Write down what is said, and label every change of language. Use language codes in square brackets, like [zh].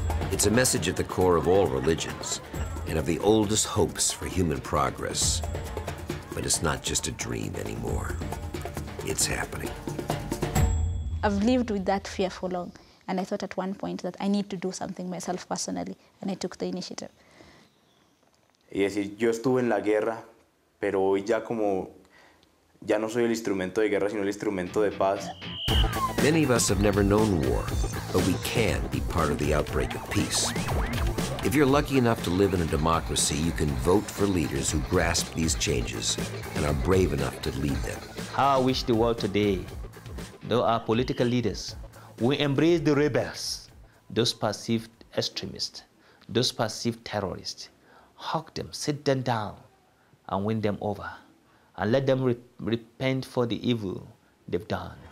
[en] It's a message at the core of all religions and of the oldest hopes for human progress. But it's not just a dream anymore. It's happening. I've lived with that fear for long, and I thought at one point that I need to do something myself personally, and I took the initiative. [es] Y decir, yo estuve en la guerra, pero hoy ya como ya no soy el instrumento de guerra, sino el instrumento de paz. [en] Many of us have never known war, but we can be part of the outbreak of peace. If you're lucky enough to live in a democracy, you can vote for leaders who grasp these changes and are brave enough to lead them. How I wish the world today, though our political leaders, we embrace the rebels, those perceived extremists, those perceived terrorists, hug them, sit them down, and win them over, and let them repent for the evil they've done.